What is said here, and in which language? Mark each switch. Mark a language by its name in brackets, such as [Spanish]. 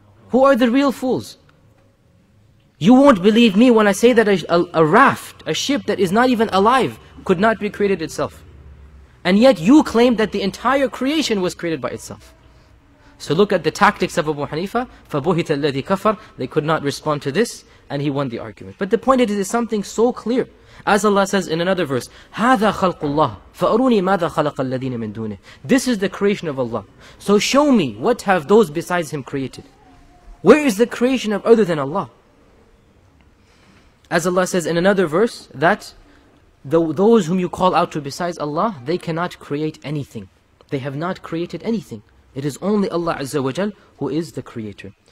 [English] Who are the real fools? You won't believe me when I say that a raft, a ship that is not even alive, could not be created itself. And yet you claim that the entire creation was created by itself." So look at the tactics of Abu Hanifa. [Arabic] فَبُهِتَ الَّذِي كَفَرَ. [English] They could not respond to this, and he won the argument. But the point is, it is something so clear. As Allah says in another verse, [Arabic] هَذَا خَلْقُ اللَّهِ فَأَرُونِي مَاذَا خَلَقَ الَّذِينَ مِنْ دُونِهِ. [English] This is the creation of Allah. So show me, what have those besides Him created? Where is the creation of other than Allah? As Allah says in another verse, that those whom you call out to besides Allah, they cannot create anything. They have not created anything. It is only Allah Azza wa Jal who is the creator.